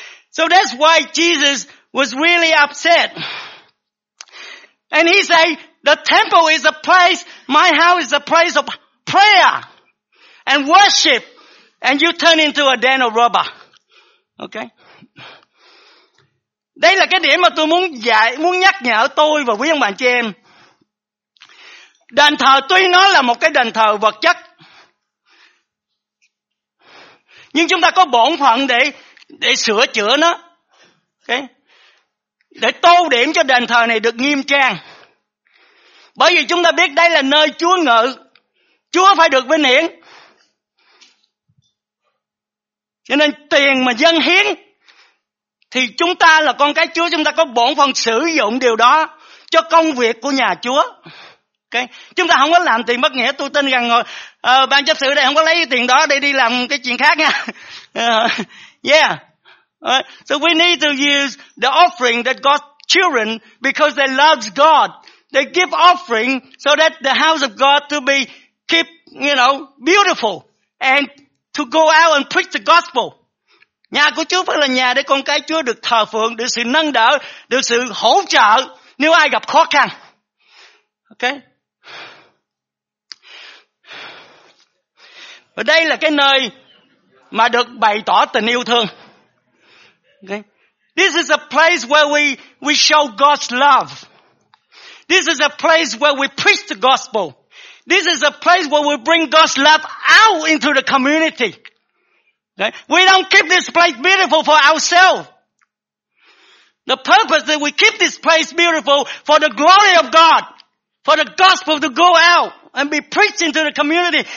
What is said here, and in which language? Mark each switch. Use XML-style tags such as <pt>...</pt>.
<en>So that's why Jesus was really upset. And he said, the temple is a place, my house is a place of prayer and worship, and you turn into a den of robber. Okay?</en> <vi>Đây là cái điểm mà tôi muốn nhắc nhở tôi và quý ông bà chị em. Đền thờ tuy nó là một cái đền thờ vật chất, nhưng chúng ta có bổn phận để sửa chữa nó. Okay? Để tô điểm cho đền thờ này được nghiêm trang. Bởi vì chúng ta biết đây là nơi Chúa ngự. Chúa phải được vinh hiển. Cho nên tiền mà dâng hiến thì chúng ta là con cái Chúa, chúng ta có bổn phận sử dụng điều đó cho công việc của nhà Chúa. Okay. Chúng ta không có làm tiền bất nghĩa. Tôi tin rằng ban chấp sự đây không có lấy tiền đó để đi làm cái chuyện khác nha.</vi> <en>Yeah. Right? So we need to use the offering that God's children, because they love God. They give offering so that the house of God to be keep, you know, beautiful and to go out and preach the gospel.</en> <vi>Nhà của Chúa phải là nhà để con cái Chúa được thờ phượng, được sự nâng đỡ, được sự hỗ trợ nếu ai gặp khó khăn. Okay. Và đây là cái nơi mà được bày tỏ tình yêu thương.</vi> <en>Okay. This is a place where we show God's love. This is a place where we preach the gospel. This is a place where we bring God's love out into the community. Okay? We don't keep this place beautiful for ourselves. The purpose that we keep this place beautiful for the glory of God, for the gospel to go out and be preached into the community.</en>